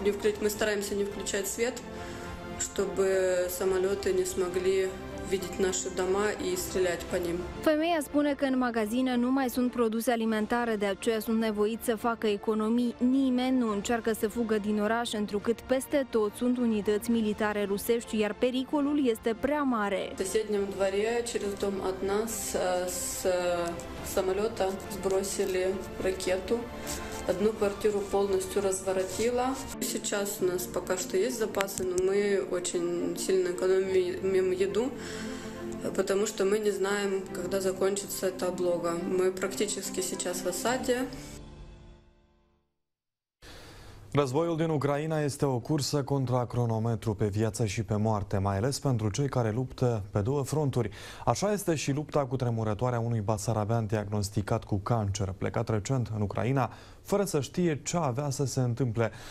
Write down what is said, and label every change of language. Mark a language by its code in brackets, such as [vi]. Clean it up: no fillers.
[ro] Ne încercăm să nu [ru] включать свет, чтобы самолеты не смогли видеть наши дома и стрелять по ним. [ro] Femeia spune că în magazine nu mai sunt produse alimentare, de aceea sunt nevoiți să facă economii. Nimeni nu încearcă să fugă din oraș, întrucât peste tot sunt unități militare rusești, iar pericolul este prea mare. [ru] В соседнем дворе, через дом от нас, с самолета сбросили ракету. Одну квартиру полностью разворотила. Сейчас у нас пока что есть запасы, но мы очень сильно экономим еду, потому что мы не знаем, когда закончится эта облога. Мы практически сейчас в осаде. [ro] Războiul din Ucraina este o cursă contra cronometru pe viață și pe moarte, mai ales pentru cei care luptă pe două fronturi. Așa este și lupta cutremurătoare a unui basarabean diagnosticat cu cancer, plecat recent în Ucraina, fără să știe ce avea să se întâmple.